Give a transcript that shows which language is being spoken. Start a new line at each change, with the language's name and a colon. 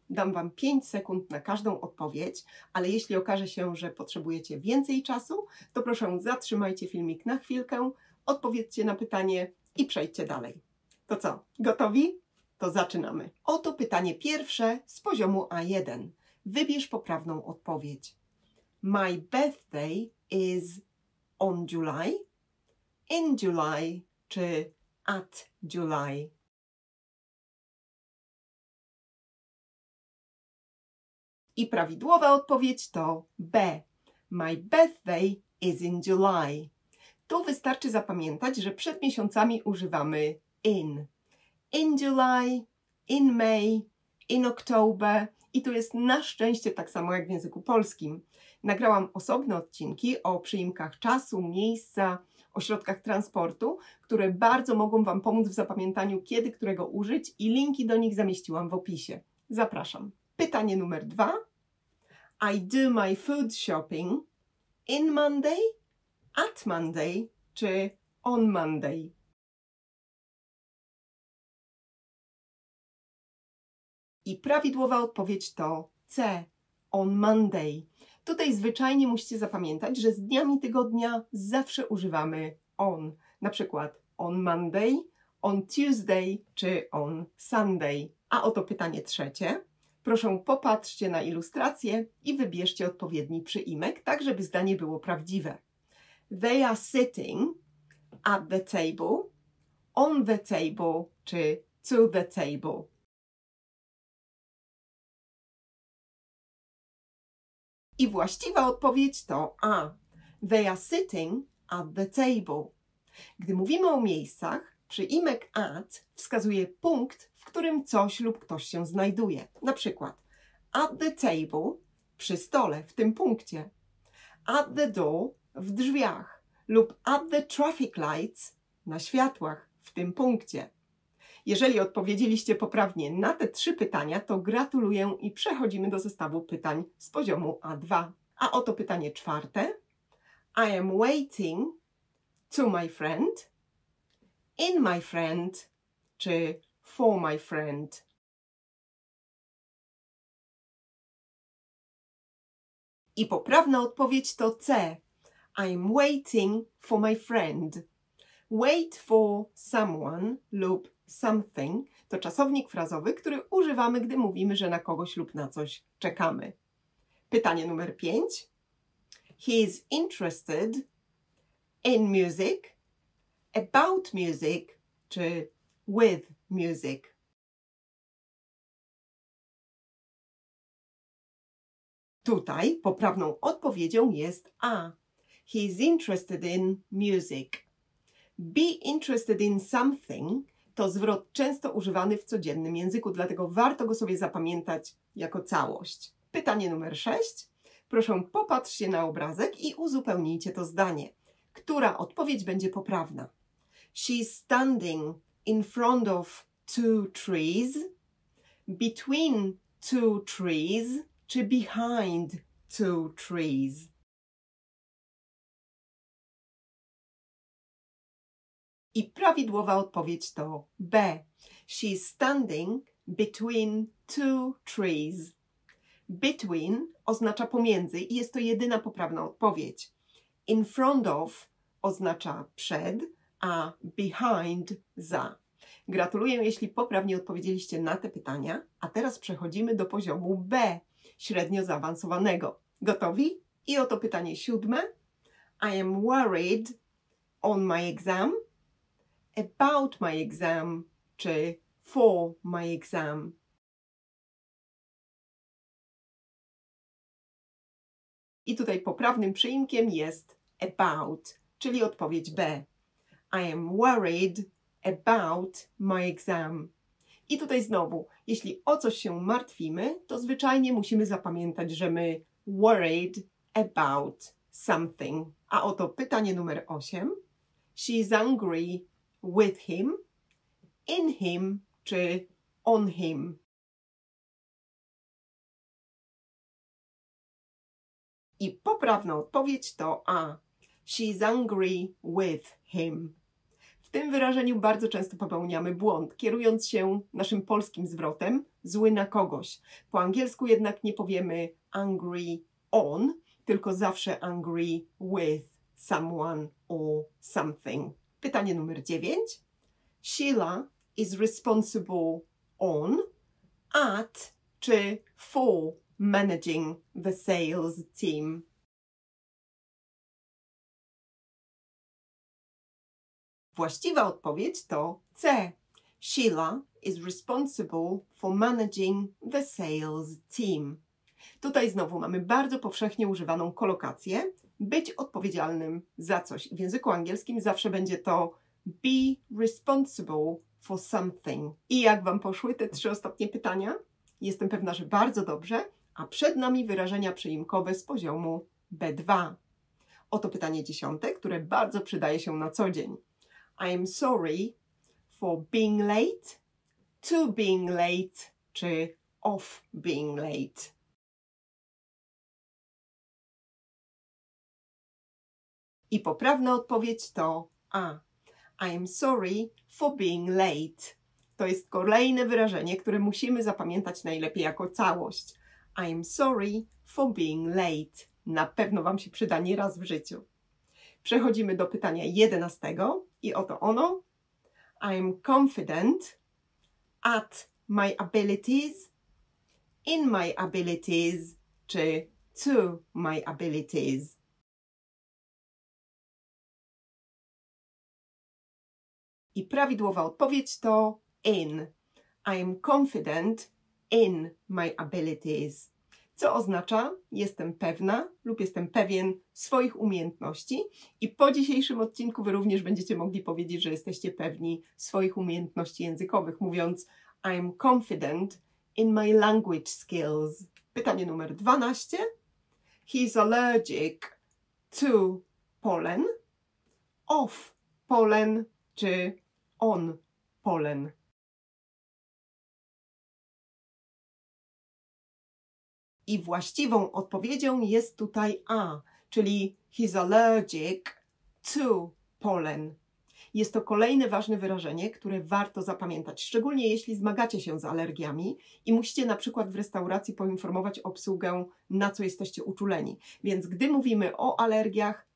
Polish: Dam Wam 5 sekund na każdą odpowiedź, ale jeśli okaże się, że potrzebujecie więcej czasu, to proszę zatrzymajcie filmik na chwilkę, odpowiedzcie na pytanie i przejdźcie dalej. To co, gotowi? To zaczynamy. Oto pytanie pierwsze z poziomu A1. Wybierz poprawną odpowiedź.
English: My birthday is on July, in July
Polish: czy
English: at July?
Polish: I prawidłowa odpowiedź to B.
English: My birthday is in July.
Polish: Tu wystarczy zapamiętać, że przed miesiącami używamy in.
English: In July, in May, in October.
Polish: I tu jest na szczęście tak samo jak w języku polskim. Nagrałam osobne odcinki o przyimkach czasu, miejsca, o środkach transportu, które bardzo mogą Wam pomóc w zapamiętaniu, kiedy którego użyć i linki do nich zamieściłam w opisie. Zapraszam. Pytanie numer 2.
English: I do my food shopping in Monday, at Monday
Polish: czy
English: on Monday?
Polish: I prawidłowa odpowiedź to C.
English: On Monday.
Polish: Tutaj zwyczajnie musicie zapamiętać, że z dniami tygodnia zawsze używamy on. Na przykład
English: on Monday, on Tuesday
Polish: czy
English: on Sunday.
Polish: A oto pytanie trzecie. Proszę popatrzcie na ilustrację i wybierzcie odpowiedni przyimek, tak żeby zdanie było prawdziwe.
English: They are sitting at the table, on the table
Polish: czy
English: to the table.
Polish: I właściwa odpowiedź to A.
English: They are sitting at the table.
Polish: Gdy mówimy o miejscach, przyimek at wskazuje punkt, w którym coś lub ktoś się znajduje. Na przykład
English: at the table,
Polish: przy stole, w tym punkcie.
English: At the door,
Polish: w drzwiach. Lub
English: at the traffic lights,
Polish: na światłach, w tym punkcie. Jeżeli odpowiedzieliście poprawnie na te 3 pytania, to gratuluję i przechodzimy do zestawu pytań z poziomu A2. A oto pytanie czwarte.
English: I am waiting to my friend, in my friend
Polish: czy
English: for my friend?
Polish: I poprawna odpowiedź to C.
English: I'm waiting for my friend. Wait for someone
Polish: lub something to czasownik frazowy, który używamy, gdy mówimy, że na kogoś lub na coś czekamy. Pytanie numer 5.
English: He is interested in music, about music
Polish: czy
English: with music.
Polish: Tutaj poprawną odpowiedzią jest A.
English: He is interested in music. Be interested in something
Polish: to zwrot często używany w codziennym języku, dlatego warto go sobie zapamiętać jako całość. Pytanie numer 6. Proszę, popatrz się na obrazek i uzupełnijcie to zdanie. Która odpowiedź będzie poprawna?
English: She is standing in front of two trees, between two trees,
Polish: czy
English: behind two trees?
Polish: I prawidłowa odpowiedź to B.
English: She is standing between two trees.
Polish: Between oznacza pomiędzy i jest to jedyna poprawna odpowiedź. In front of oznacza przed, a behind za. Gratuluję, jeśli poprawnie odpowiedzieliście na te pytania. A teraz przechodzimy do poziomu B. Średnio zaawansowanego. Gotowi? I oto pytanie 7.
English: I am worried on my exam, about my exam,
Polish: czy
English: for my exam.
Polish: I tutaj poprawnym przyimkiem jest about, czyli odpowiedź B.
English: I am worried about my exam.
Polish: I tutaj znowu, jeśli o coś się martwimy, to zwyczajnie musimy zapamiętać, że
English: my worried about something.
Polish: A oto pytanie numer 8.
English: She is angry with him, in him
Polish: czy
English: on him?
Polish: I poprawna odpowiedź to A.
English: She is angry with him.
Polish: W tym wyrażeniu bardzo często popełniamy błąd, kierując się naszym polskim zwrotem zły na kogoś. Po angielsku jednak nie powiemy
English: angry on,
Polish: tylko zawsze
English: angry with someone or something.
Polish: Pytanie numer 9.
English: Sheila is responsible on, at
Polish: czy
English: for managing the sales team.
Polish: Właściwa odpowiedź to C.
English: Sheila is responsible for managing the sales team.
Polish: Tutaj znowu mamy bardzo powszechnie używaną kolokację być odpowiedzialnym za coś. W języku angielskim zawsze będzie to
English: be responsible for something.
Polish: I jak Wam poszły te 3 ostatnie pytania? Jestem pewna, że bardzo dobrze, a przed nami wyrażenia przyimkowe z poziomu B2. Oto pytanie 10, które bardzo przydaje się na co dzień.
English: I am sorry for being late, to being late,
Polish: czy
English: of being late.
Polish: I poprawna odpowiedź to A.
English: I am sorry for being late.
Polish: To jest kolejne wyrażenie, które musimy zapamiętać najlepiej jako całość.
English: I am sorry for being late.
Polish: Na pewno Wam się przyda nieraz w życiu. Przechodzimy do pytania 11 i oto ono.
English: I am confident at my abilities, in my abilities,
Polish: czy
English: to my abilities.
Polish: I prawidłowa odpowiedź to in.
English: I am confident in my abilities.
Polish: Co oznacza jestem pewna lub jestem pewien swoich umiejętności. I po dzisiejszym odcinku Wy również będziecie mogli powiedzieć, że jesteście pewni swoich umiejętności językowych, mówiąc
English: I am confident in my language skills.
Polish: Pytanie numer 12.
English: He is allergic to pollen, of pollen
Polish: czy
English: on pollen.
Polish: I właściwą odpowiedzią jest tutaj A, czyli
English: he's allergic to pollen.
Polish: Jest to kolejne ważne wyrażenie, które warto zapamiętać, szczególnie jeśli zmagacie się z alergiami i musicie na przykład w restauracji poinformować obsługę, na co jesteście uczuleni. Więc gdy mówimy o alergiach,